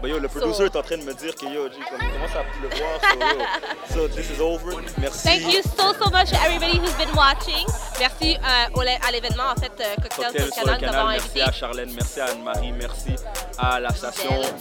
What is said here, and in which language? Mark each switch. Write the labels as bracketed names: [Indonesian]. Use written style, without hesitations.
[French] Mais yo, le producer est en train de me dire que yo, j'ai commencé à pleuvoir. [English] So, this is over. Merci. Thank you so much to everybody who's been watching. [French] Merci à l'événement, en fait, Cocktail sur le canal, d'avoir invité. Merci à Charlène, merci à Anne-Marie, merci à la station.